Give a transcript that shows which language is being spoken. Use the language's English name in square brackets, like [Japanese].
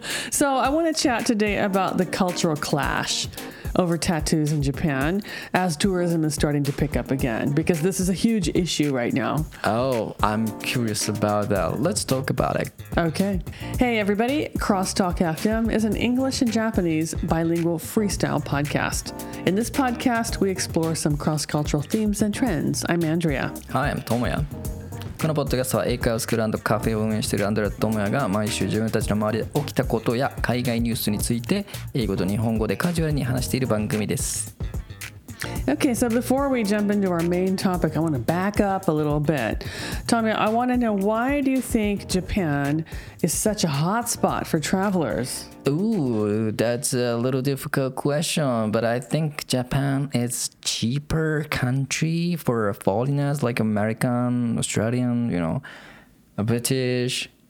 [English] So I want to chat today about the cultural clash over tattoos in Japan as tourism is starting to pick up again, because this is a huge issue right now. Oh, I'm curious about that. Let's talk about it. Okay. Hey, everybody. Crosstalk FM is an English and Japanese bilingual freestyle podcast. In this podcast, we explore some cross-cultural themes and trends. I'm Andrea. Hi, I'm Tomoya. [Japanese] このポッドキャストは英会話スクールカフェを運営しているアンドレアとトモヤが毎週自分たちの周りで起きたことや海外ニュースについて英語と日本語でカジュアルに話している番組です。 [English] Okay, so before we jump into our main topic, I want to back up a little bit. Tommy, I want to know, why do you think Japan is such a hot spot for travelers? Ooh, that's a little difficult question, but I think Japan is cheaper country for foreigners like American, Australian, you know, British.